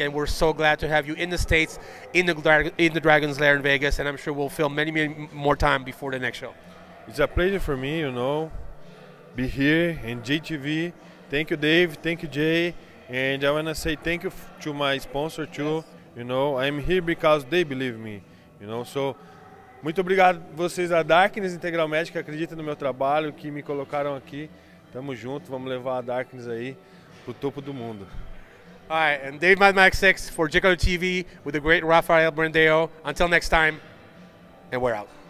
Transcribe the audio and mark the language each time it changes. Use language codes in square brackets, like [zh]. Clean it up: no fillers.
[en] And we're so glad to have you in the States, in the Dragon's Lair in Vegas. And I'm sure we'll film many, many more time before the next show. It's a pleasure for me, you know, be here in JTV. Thank you, Dave. Thank you, Jay. And I want to say thank you to my sponsor, too. Yes. You know, I'm here because they believe me, you know. [pt] So, muito obrigado vocês, a Darkness Integral Médica, que acreditam no meu trabalho, que me colocaram aqui. Tamo junto, vamos levar a Darkness aí pro topo do mundo. [en] All right, and Dave Mad Max 6 for Jicolo TV with the great Rafael Brandao. Until next time, and we're out.